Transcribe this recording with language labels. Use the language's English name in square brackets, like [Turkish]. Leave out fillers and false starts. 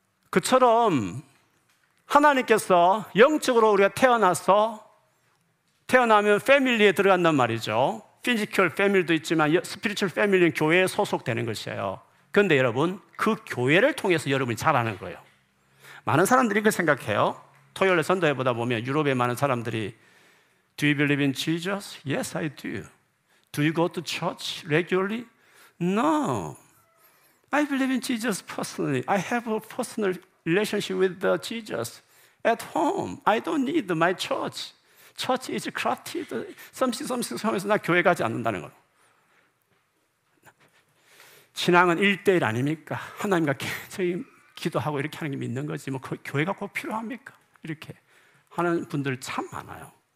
[Korean] 그처럼 하나님께서 영적으로 우리가 태어나면 패밀리에 들어간단 말이죠. 피지컬 패밀리도 있지만 스피리추얼 패밀리는 교회에 소속되는 것이에요. 그런데 여러분, 그 교회를 통해서 여러분이 자라는 거예요. 많은 사람들이 그렇게 생각해요. 토요일에 전도해보다 보면 유럽의 많은 사람들이 [English] Do you believe in Jesus? Yes, I do. Do you go to church regularly? No. I believe in Jesus personally. I have a personal relationship with Jesus at home. I don't need my church. Church is crafted, something, something [Korean] 하면서 나 교회 가지 않는다는 걸. 신앙은 1대1 아닙니까? 하나님과 계속 기도하고 이렇게 하는 게 믿는 거지. 뭐, 그 교회가 꼭 필요합니까? 이렇게 하는 분들 참 많아요.